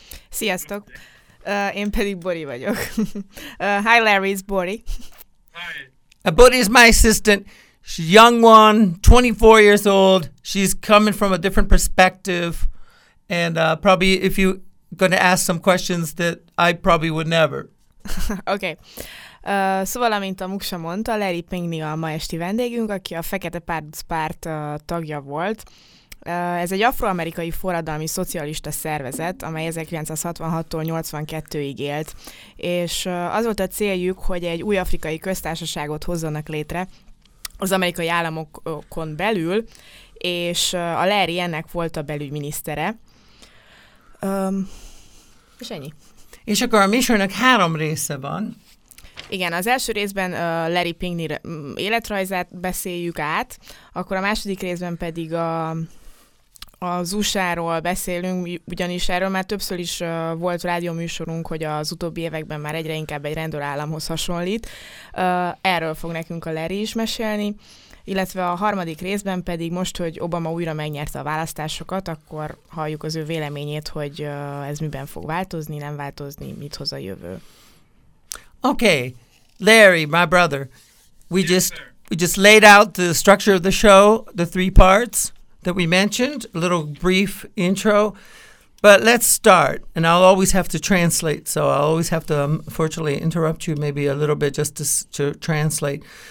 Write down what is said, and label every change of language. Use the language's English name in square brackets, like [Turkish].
[Hungarian] Sziasztok. Én pedig Bori vagyok. [English] Hi Larry, it's Bori. Hi. Bori is my assistant. She's a young one, 24 years old. She's coming from a different perspective. And probably if you're going to ask some questions that I probably would never. Okay. [Hungarian] Szóval, amint a Muksa mondta, Larry Pinkney a ma esti vendégünk, aki a Fekete Paduc párt tagja volt. Ez egy afroamerikai forradalmi szocialista szervezet, amely 1966-tól 82-ig élt, és az volt a céljuk, hogy egy új afrikai köztársaságot hozzanak létre az amerikai államokon belül, és a Larry ennek volt a belügyminisztere. És ennyi. És akkor a műsornak három része van. Igen, az első részben Larry Pinkney életrajzát beszéljük át, akkor a második részben pedig az USA-ról beszélünk, ugyanis erről már többször is volt rádióműsorunk, hogy az utóbbi években már egyre inkább egy rendőrállamhoz hasonlít. Erről fog nekünk a Larry is mesélni. Illetve a harmadik részben pedig most, hogy Obama újra megnyerte a választásokat, akkor halljuk az ő véleményét, hogy ez miben fog változni, nem változni, mit hoz a jövő. [English] Okay, Larry, my brother, we just laid out the structure of the show, the three parts that we mentioned, a little brief intro, but let's start, and I'll always have to translate, so I'll always have to unfortunately interrupt you maybe a little bit just to translate.